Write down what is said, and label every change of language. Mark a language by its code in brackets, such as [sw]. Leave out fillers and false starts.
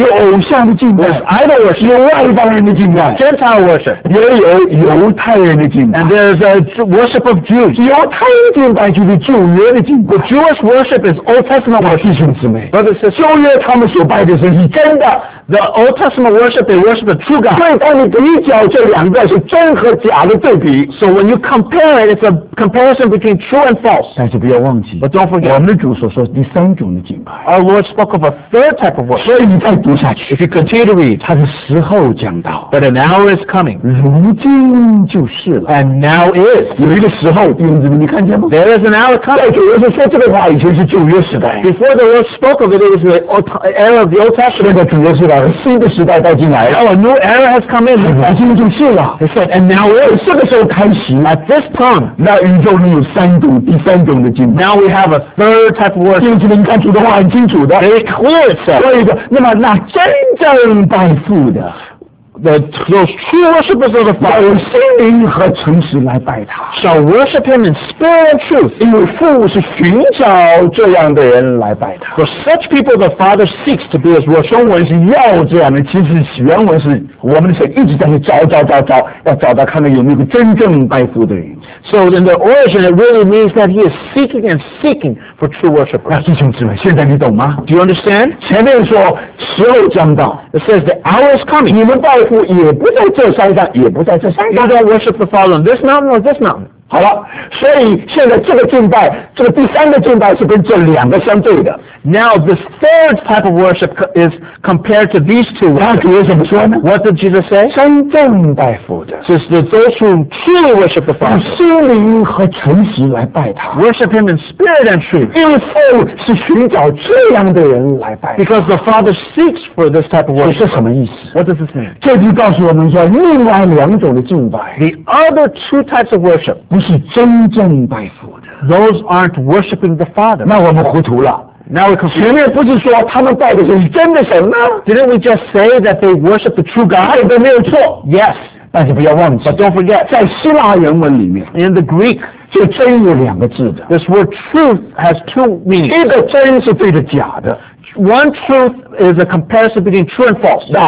[zh] 有偶像的敬拜 [en] ，There's idol worship， [zh] 有外邦人的敬拜 [en] ，Gentile worship， [zh] 也有犹太人的敬拜 [en] ，And there's a worship of Jews， [zh] 犹太人敬拜就是旧约的敬拜 [en] ，Jewish worship is Old Testament worship， [zh] 弟兄姊妹 [en] ，Brothers， [zh] 旧约他们所拜的神是真的。 [en] The Old Testament worship, they worship the true God. [zh] 所以当你比较这两个是真和假的对比 [en] ，So when you compare it, it's a comparison between true and false. [zh] 但是不要忘记 [en] ，But don't forget， [zh] 我们的主所说第三种的敬拜。 [en] Our Lord spoke of a third type of worship. [zh] 所以你再读下去 [en] ，If you continue to read， [zh] 他的时候讲到 [en] ，But an hour is coming， [zh] 如今就是了 [en] ，And now is， [zh] 有一个时候，弟兄姊妹，你看见吗 [en] ？There is an hour coming。 [zh] 在主耶稣说这个话以前是旧约时代 [en] ，Before the Lord spoke of it, it was the era of the Old Testament。 [zh] 现在主耶稣来。新的时代到进来了 [en] ，Our new era has come in， [zh] 如今就是了。 [en] He said， and now is， [zh] 这个时候开始。 [en] At this time， [zh] 那宇宙里有三种，第三种的敬拜。 [en] Now we have a third type of worship。 [zh] 弟兄们，你看主的话很清楚的 [en] ，Very clear， [zh] 是。所以说，那么那真正拜父的。 [en] The true worshippers of the Father, [zh] 用心灵和诚实来拜他 [en] shall worship him in spirit and truth. [zh] 因为父是寻找这样的人来拜他 [en] For such people, the Father seeks to be his worshipper. [zh] 中文是要这样的，其实原文是我们的神一直在那找，要找到看看有没有个真正拜父的人 [en] So in the origin, it really means that he is seeking and seeking for true worshippers. [zh] 那弟兄姊妹，现在你懂吗 [en] ？Do you understand? [zh] 前面说时候将到 [en] ，It says the hour is coming. [zh] 你们拜父也不在这山上，也不在这山上。 [en] You don't worship the Father on this mountain or this mountain. [zh] 好了，所以现在这个敬拜，这个第三个敬拜是跟这两个相对的。 [en] Now this third type of worship is compared to these two. [zh] 那主耶稣怎么说呢 [en] ？What did Jesus say? [zh] 真正拜父的，就是 [en] those who truly worship the Father. [zh] 用心灵和诚实来拜他。 [en] Worship Him in spirit and truth. [zh] 因为父是寻找这样的人来拜他。 [en] Because the Father seeks for this type of worship. [zh] 这是什么意思 [en] ？What does this mean? [zh] 这就告诉我们说，另外两种的敬拜 [en] ，the other two types of worship. [zh] 不是真正拜父的。 [en] Those aren't worshiping the Father. [zh] 那我们糊涂了。 [en] Now we're confused. [zh] 前面不是说他们拜的是真的神吗 [en] ？Didn't we just say that they worship the true God? [zh] 对，没有错。 [en] Yes， [zh] 但是不要忘记。 [en] But don't forget， [zh] 在希腊原文里面 [en] ，in the Greek， [zh] 就真有两个字的。 [en] This word truth has two meanings. [zh] 一个真是对着假的。 [en] One truth is a comparison between true and false.